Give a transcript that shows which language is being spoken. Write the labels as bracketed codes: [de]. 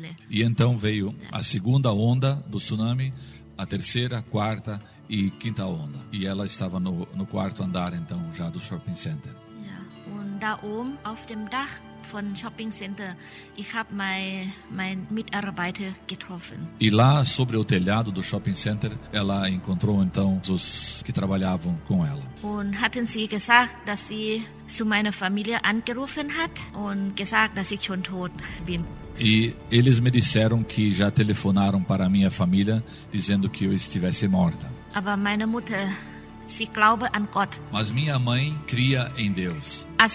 [pt] E então veio a segunda onda do tsunami, a terceira, a quarta e quinta onda. E ela estava no quarto andar então já do shopping center. [de] Da oben auf dem Dach von Shopping Center, ich habe mein Mitarbeiter getroffen. [pt] E lá sobre o telhado do Shopping Center, ela encontrou então os que trabalhavam com ela. [de] Und hatten sie gesagt, dass sie zu meiner Familie angerufen hat und gesagt, dass ich schon tot bin. [pt] E eles me disseram que já telefonaram para a minha família dizendo que eu estivesse morta. [de] Aber meine Mutter, sie glaube an Gott. [pt] Mas minha mãe cria em Deus.